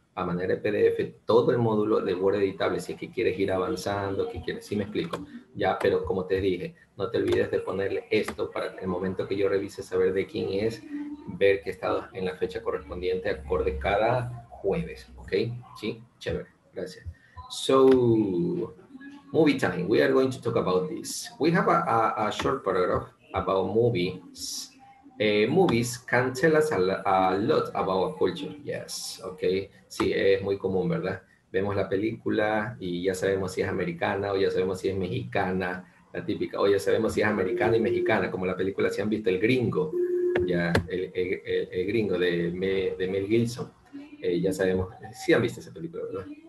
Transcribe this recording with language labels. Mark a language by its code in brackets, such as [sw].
[es] a manera de PDF todo el módulo de Word editable, si es que quieres ir avanzando, que quieres, si me explico. Ya, pero como te dije, no te olvides de ponerle esto para que en el momento que yo revise saber de quién es, ver que está en la fecha correspondiente acorde cada jueves, ¿ok? Sí, chévere, gracias. [en] So, movie time, we are going to talk about this. We have a short paragraph about movies. Movies can tell us a lot about a culture. [es] Yes, okay. Sí, es muy común, ¿verdad? Vemos la película y ya sabemos si es americana o ya sabemos si es mexicana, la típica. O ya sabemos si es americana y mexicana, como la película, si han visto El Gringo, ya, el gringo de Mel Gibson. Ya sabemos, sí han visto esa película, ¿verdad?